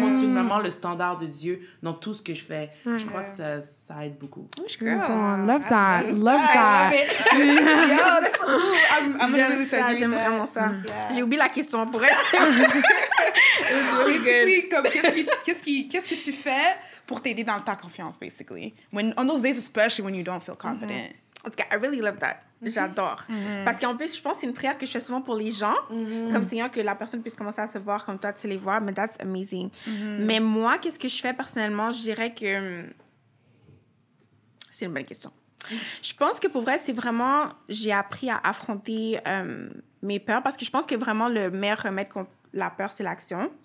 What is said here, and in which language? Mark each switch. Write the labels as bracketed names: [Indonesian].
[French] Continuellement le standard de Dieu dans tout ce que je fais. Mm-hmm. Je crois que ça aide beaucoup. [English] Girl. Love that. Love that. Yo, that's cool. I'm really sorry. [French] J'aime vraiment ça. Yeah. J'ai oublié la question. Pourrais-je? [English] It was really good. [French] Comme, qu'est-ce que tu fais pour t'aider dans ta confiance, basically? [English] On those days, especially when you don't feel confident. Mm-hmm. Okay, I really love that. Mm-hmm. J'adore. Mm-hmm. [French] Parce qu'en plus, je pense que c'est une prière que je fais souvent pour les gens. Mm-hmm. Comme Seigneur, que la personne puisse commencer à se voir comme toi, tu les vois. Mais [English] that's amazing. [French] Mm-hmm. Mais moi, qu'est-ce que je fais personnellement? Je dirais que... C'est une bonne question. Je pense que pour vrai, c'est vraiment... J'ai appris à affronter mes peurs parce que je pense que vraiment le meilleur remède contre la peur, c'est l'action.